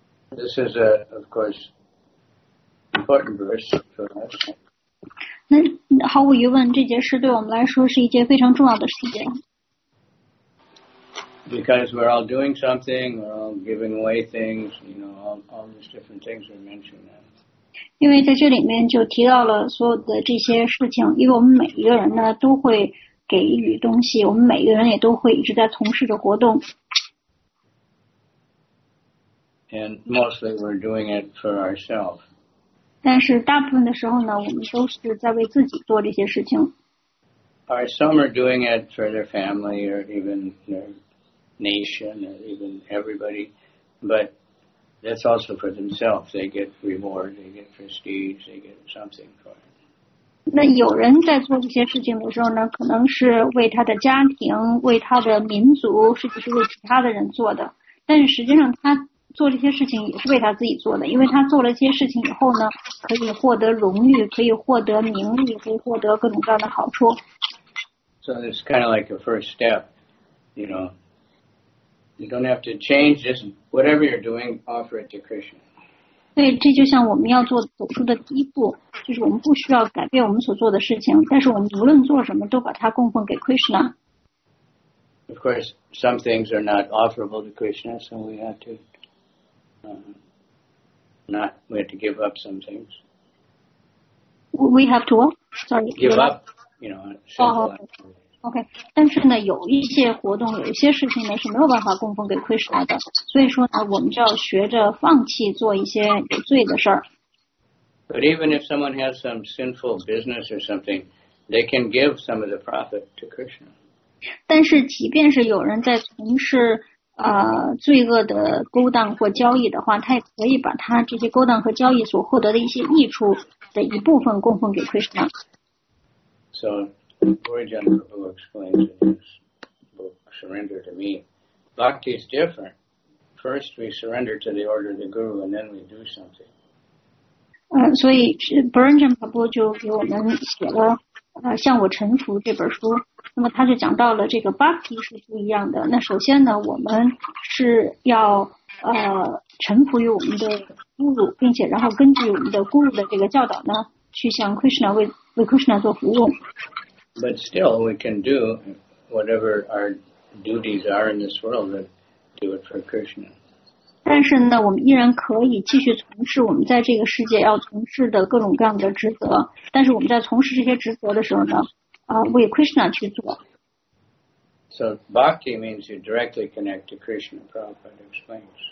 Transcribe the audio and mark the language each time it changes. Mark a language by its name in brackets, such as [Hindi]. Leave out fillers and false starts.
[English] This is a, of course, important verse for us. [Chinese] 那毫无疑问，这节诗对我们来说是一件非常重要的事情。 [English] Because we're all doing something, we're all giving away things, you know, all these different things we mentioned now. [Chinese] 因为在这里面就提到了所有的这些事情，因为我们每一个人呢都会给予东西，我们每一个人也都会一直在从事着活动。 [English] And mostly we're doing it for ourselves. [Chinese] 但是大部分的时候呢，我们都是在为自己做这些事情。 [English] Or some are doing it for their family or even their nation or even everybody, but that's also for themselves. They get reward, they get prestige, they get something for it. [Chinese] 那有人在做这些事情的时候呢，可能是为他的家庭，为他的民族，甚至是为其他的人做的。但是实际上他做这些事情也是为他自己做的，因为他做了这些事情以后呢，可以获得荣誉，可以获得名利，可以获得各种各样的好处。 [English] So it's kind of like a first step, you know. You don't have to change, just whatever you're doing, offer it to Krishna. [Chinese] 对，这就像我们要做走出的第一步，就是我们不需要改变我们所做的事情，但是我们无论做什么都把它供奉给 Krishna. [English] Of course, some things are not offerable to Krishna, so we have to, we have to give up some things. We have to what? Sorry. Give up, you know, simple. Oh, okay. [Chinese] OK, 但是呢有一些活动有一些事情呢是没有办法供奉给 Krishna 的，所以说呢我们就要学着放弃做一些有罪的事儿。 [English] But even if someone has some sinful business or something, they can give some of the profit to Krishna. [Chinese] 但是即便是有人在从事罪恶的勾当或交易的话，他也可以把他这些勾当和交易所获得的一些益处的一部分供奉给 Krishna. [English] SoGaurijana Prabhu explains in his book, Surrender to Me. Bhakti is different. First we surrender to the order of the Guru and then we do something. So [Chinese] Gaurijana Prabhu 就给我们写了向我臣服这本书。那么他就讲到了这个 Bhakti 是不一样的。那首先呢我们是要臣服于我们的 Guru, 并且然后根据我们的 Guru 的这个教导呢去向 Krishna 为 Krishna 做服务。 [English] But still, we can do whatever our duties are in this world and do it for Krishna. [Chinese] 但是呢，我们依然可以继续从事我们在这个世界要从事的各种各样的职责。但是我们在从事这些职责的时候呢，为 Krishna 去做。 [English] So bhakti means you directly connect to Krishna, Prabhupada explains.